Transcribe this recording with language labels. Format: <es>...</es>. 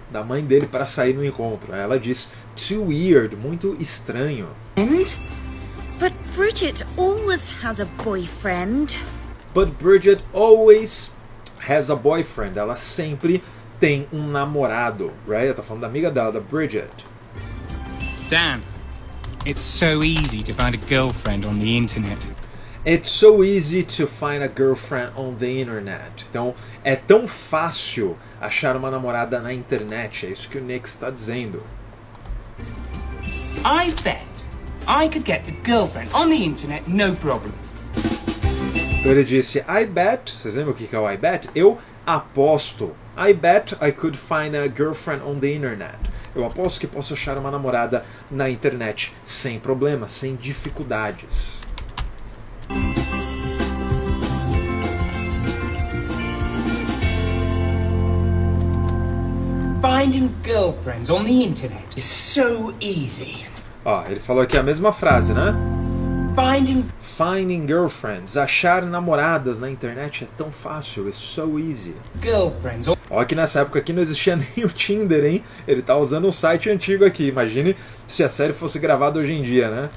<pt>Da mãe dele para sair no encontro. Ela disse</pt> <en>too weird,</en> <pt>muito estranho.</pt> <en>And? But Bridget always has a boyfriend. But Bridget always has a boyfriend.</en> <pt>Ela sempre tem um namorado, right? Ela tá falando da amiga dela, da Bridget.</pt> <en>Dan, it's so easy to find a girlfriend on the internet. It's so easy to find a girlfriend on the internet.</en> <pt>Então, é tão fácil achar uma namorada na internet. É isso que o Nick está dizendo.</pt> <en>I bet I could get a girlfriend on the internet, no problem.</en> <pt>Então ele disse, I bet. Vocês lembram o que é o I bet? Eu aposto.</pt> <en>I bet I could find a girlfriend on the internet.</en> <pt>Eu aposto que posso achar uma namorada na internet sem problemas, sem dificuldades.</pt> <en>Finding girlfriends on the internet is so easy.</en> <pt>Ó, ele falou aqui a mesma frase, né?</pt> <en>Finding Finding girlfriends,</en> <pt>achar namoradas na internet é tão fácil,</pt> <en>it's so easy. Girlfriends on</en> <pt>Ó, que nessa época aqui não existia nem o Tinder, hein? Ele tá usando um site antigo aqui. Imagine se a série fosse gravada hoje em dia, né?</pt>